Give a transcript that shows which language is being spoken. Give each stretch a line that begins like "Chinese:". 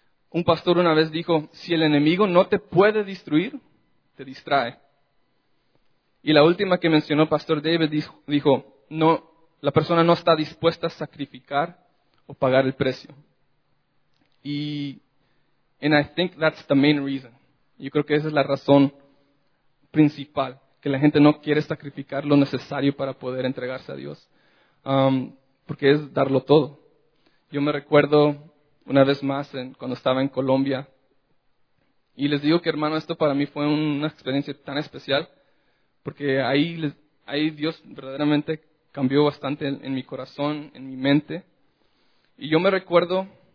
Spanish: Un pastor una vez dijo, si el enemigo no te puede destruir, te distrae. Y la última que mencionó Pastor David dijo, no, la persona no está dispuesta a sacrificar o pagar el precio.
English: Y I think that's the main reason.
Spanish: Yo creo que esa es la razón principal, que la gente no quiere sacrificar lo necesario para poder entregarse a Dios, porque es darlo todo. Yo me recuerdo una vez más cuando estaba en Colombia, y les digo que, hermano, esto para mí fue una experiencia tan especial, porque ahí Dios verdaderamente cambió bastante en mi corazón, en mi mente. Y yo me recuerdo...